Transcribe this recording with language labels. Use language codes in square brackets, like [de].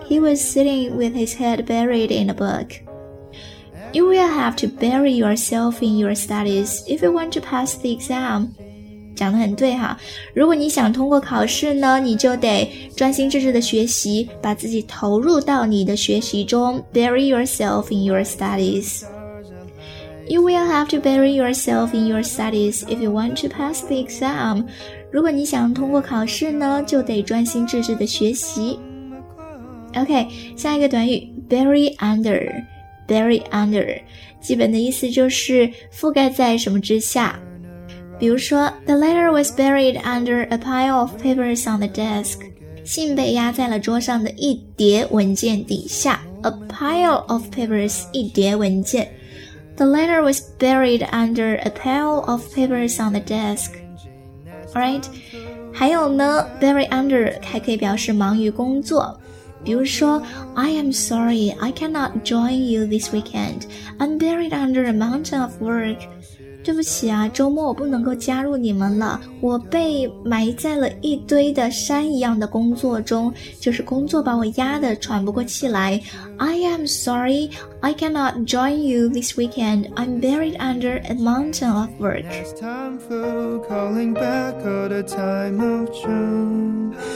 [en] He was sitting with his head buried in a book. You will have to bury yourself in your studies if you want to pass the exam. [zh] 讲得很对哈，如果你想通过考试呢，你就得专心致志的学习，把自己投入到你的学习中。 [en] Bury yourself in your studies. You will have to bury yourself in your studies if you want to pass the exam. [zh] 如果你想通过考试呢，就得专心致志的学习。 OK, 下一个短语 bury under. Bury under, 基本的意思就是覆盖在什么之下。比如说 [en] The letter was buried under a pile of papers on the desk. [zh] 信被压在了桌上的一叠文件底下。 [en] A pile of papers, [zh] 一叠文件。 [en] The letter was buried under a pile of papers on the desk. [zh] Alright, 还有呢 bury under 还可以表示忙于工作。比如说 [en] I am sorry, I cannot join you this weekend. I'm buried under a mountain of work. [zh] 对不起啊，周末我不能够加入你们了，我被埋在了一堆的山一样的工作中，就是工作把我压得喘不过气来。 [en] I am sorry, I cannot join you this weekend. I'm buried under a mountain of work. Next time for calling back all the time of June.